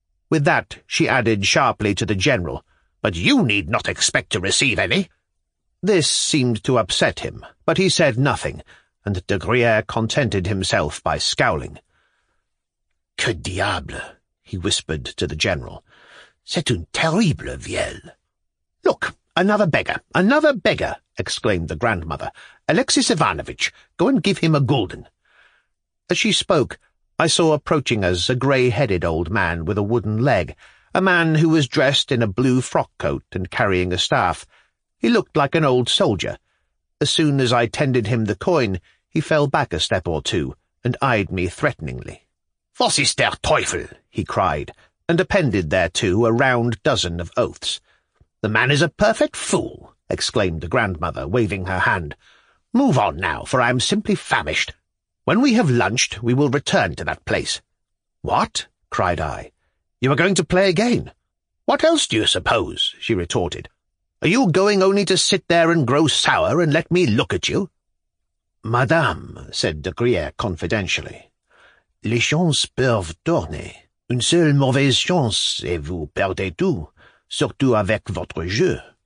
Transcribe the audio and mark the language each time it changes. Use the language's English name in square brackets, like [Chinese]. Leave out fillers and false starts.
[English] With that, she added sharply to the general, "But you need not expect to receive any." This seemed to upset him, but he said nothing, and De Gruyere contented himself by scowling. [French] "Que diable," [English] he whispered to the general. [French] "C'est une terrible vielle." [English] "Look, another beggar, another beggar," exclaimed the grandmother. "Alexis Ivanovitch, go and give him a gulden." As she spoke, I saw approaching us a grey-headed old man with a wooden leg, a man who was dressed in a blue frock coat and carrying a staff. He looked like an old soldier. As soon as I tendered him the coin, he fell back a step or two and eyed me threateningly. [German] "Was ist der Teufel?" [English] he cried, and appended thereto a round dozen of oaths. "The man is a perfect fool," exclaimed the grandmother, waving her hand. "Move on now, for I am simply famished. When we have lunched, we will return to that place." "What?" cried I. "You are going to play again." "What else do you suppose?" she retorted. "Are you going only to sit there and grow sour and let me look at you?" [French] "Madame," [English] said de Gruyère confidentially, [French] "les chances peuvent tourner. Une seule mauvaise chance et vous perdez tout, surtout avec votre jeu.